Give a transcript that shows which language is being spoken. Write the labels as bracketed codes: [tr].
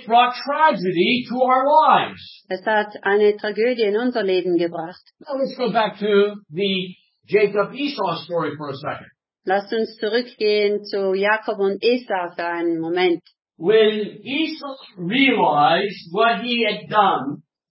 [en] It brought tragedy to our lives. [de] Es hat eine Tragödie in unser Leben gebracht. [en] Now let's go back to the Jacob Esau story for a second. [de] Lasst uns zurückgehen zu Jakob und Esau für einen Moment. [en] When Esau realized what he had done,